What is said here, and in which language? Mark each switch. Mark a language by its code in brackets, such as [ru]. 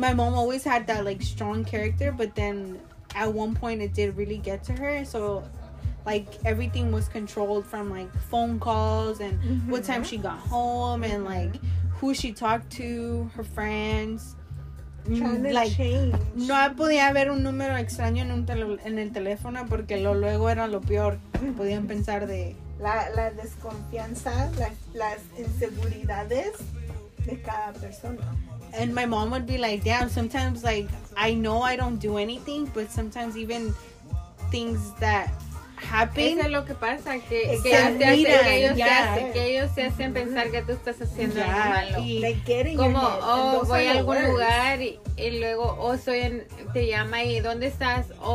[en] My mom always had that, like, strong character. But then, at one point, it did really get to her. So, like, everything was controlled from, like, phone calls and mm-hmm. what time she got home. Mm-hmm. And, like, who she talked to, her friends. Trying to change. [es] No podía haber un número extraño en el teléfono porque luego era lo peor. Podían pensar de... La desconfianza, las inseguridades de cada persona. [en] And my mom would be like, damn, sometimes, like, I know I don't do anything, but sometimes even things that happen... [es] Eso es lo que pasa, que ellos se hacen pensar que tú estás haciendo algo malo. Voy a algún lugar y luego, te llama y ¿dónde estás?